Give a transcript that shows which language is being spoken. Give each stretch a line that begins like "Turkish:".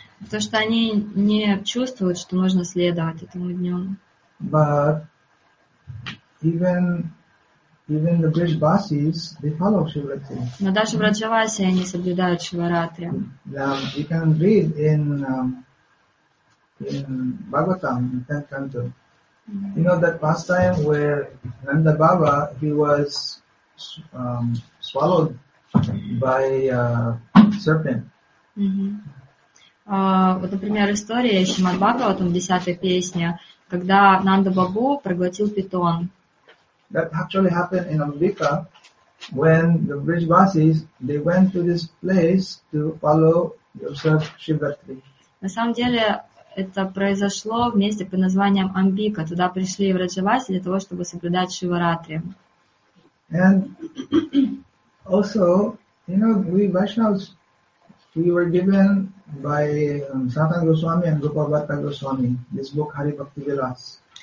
Russian: То, что они не чувствуют, что нужно следовать этому дню.
English: But even the Vrishbhasis, they follow Shivaratri.
Russian: Но даже Враджаваси они соблюдают Шиваратри.
English: Yeah, you can read in Bhagavatam, in 10th canto. You know that pastime where Nanda Baba he was swallowed by a serpent.
Russian: Вот, например, история Шримад Бхагаватам, 10-я песня, когда Нанда Бабу проглотил питон.
English: That actually happened in Ambika when the Vrishvasis they went to this place to follow yourself Shivaratri.
Russian: На самом деле это произошло в месте под названием Амбика. Туда пришли Враджаваси для того, чтобы соблюдать Шиваратри.
English: And also, you know, we Vaishnavas, we were given by Satana Goswami and Rupa Bhatta Goswami this book Hari Bhakti Vilas.